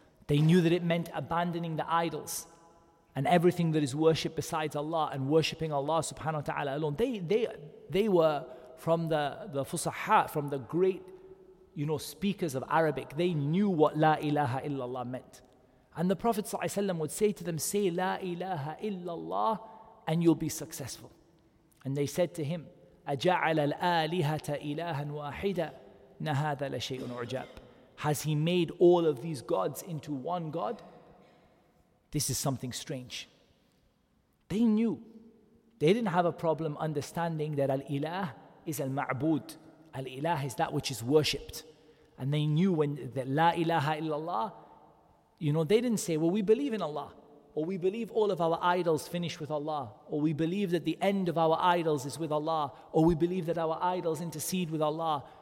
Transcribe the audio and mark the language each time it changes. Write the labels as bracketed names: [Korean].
[English] They knew that it meant abandoning the idols and everything that is worshipped besides Allah, and worshipping Allah subhanahu wa ta'ala alone. They were from the fusaha, from the great, you know, speakers of Arabic. They knew what La ilaha illallah meant. And the Prophet ﷺ would say to them, say La ilaha illallah and you'll be successful. And they said to him, [Arabic] أَجَعَلَ الْآلِهَةَ إِلَهًا وَاحِدًا نَهَذَا لَشَيْءٌ عُجَابٌ. [English] Has he made all of these gods into one god? This is something strange. They knew. They didn't have a problem understanding that al-ilah is al-ma'bud, Al-ilah is that which is worshipped. And they knew when that La ilaha illallah, you know, they didn't say, well, we believe in Allah, or we believe all of our idols finish with Allah, or we believe that the end of our idols is with Allah, or we believe that our idols intercede with Allah.